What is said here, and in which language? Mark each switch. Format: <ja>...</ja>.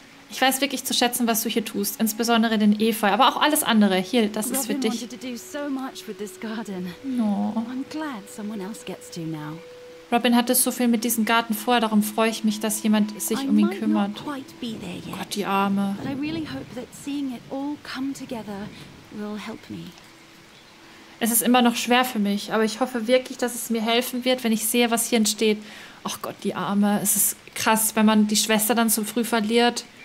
<de>Ich weiß wirklich zu schätzen, was du hier tust. Insbesondere den Efeu, aber auch alles andere. Hier, das Robin ist für dich.</de> <en>So much with this garden. Oh. I'm glad someone else gets to now.</en> <de>Robin hatte so viel mit diesem Garten vor, darum freue ich mich, dass jemand sich um ihn kümmert.</de> <en>Yet,</en> <de>oh Gott, die Arme.</de> <en>I really hope that seeing it all come together will help me.</en> <de>Es ist immer noch schwer für mich, aber ich hoffe wirklich, dass es mir helfen wird, wenn ich sehe, was hier entsteht. Ach Gott, die Arme. Es ist krass, wenn man die Schwester dann so früh verliert.</de>